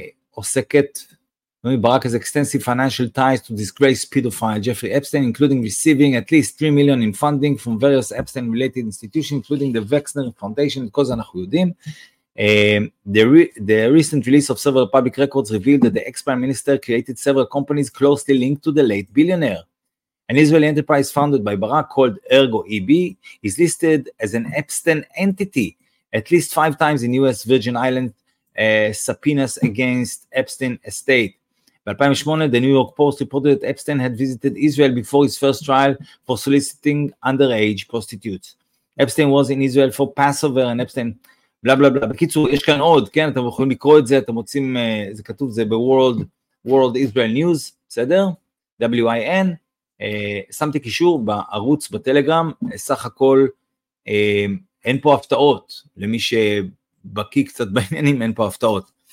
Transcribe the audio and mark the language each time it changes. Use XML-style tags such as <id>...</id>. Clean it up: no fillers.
<en>עוסקת, נומי ברק, as extensive financial ties to disgraced pedophile Jeffrey Epstein, including receiving at least $3 million in funding from various Epstein related institutions, including the Wexner Foundation,</en> <he>את כל זה אנחנו יודעים,</he> <en>the recent release of several public records revealed that the ex-prime minister created several companies closely linked to the late billionaire. An Israeli enterprise founded by Barak called Ergo EB is listed as an Epstein entity at least 5 times in US Virgin Island subpoenas against Epstein estate. ב-2008, the New York Post reported that Epstein had visited Israel before his first trial for soliciting underage prostitutes. Epstein was in Israel for Passover and Epstein...</en> <he>בלה בלה בלה, בקיצור, יש כאן עוד, כן, אתם יכולים לקרוא את זה, אתם מוצאים, זה כתוב, זה ב-World Israel News, בסדר? WIN, שמתי קישור בערוץ, בטלגרם, סך הכל, אין פה הפתעות, למי שבקיא קצת בעניינים, אין פה הפתעות.</he>